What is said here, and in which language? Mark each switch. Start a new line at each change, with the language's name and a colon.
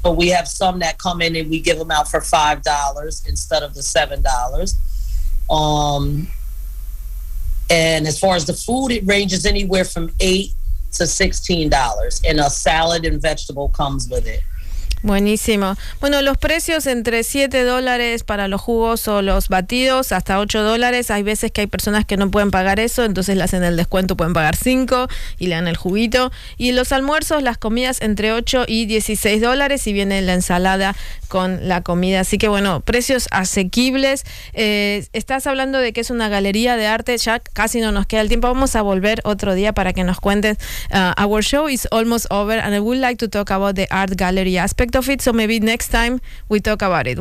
English: But we have some that come in and we give them out for $5 instead of the $7. And as far as the food, it ranges anywhere from $8 to $16. And a salad and vegetable comes with it.
Spanish: Buenísimo. Bueno, los precios entre $7 para los jugos o los batidos hasta $8. Hay veces que hay personas que no pueden pagar eso, entonces le hacen el descuento, pueden pagar $5 y le dan el juguito. Y los almuerzos, las comidas entre $8 y $16, y viene la ensalada con la comida. Así que bueno, precios asequibles. Estás hablando de que es una galería de arte. Ya casi no nos queda el tiempo. Vamos a volver otro día para que nos cuentes.
English: Our show is almost over, and I would like to talk about the art gallery aspect of it, so maybe next time we talk about it.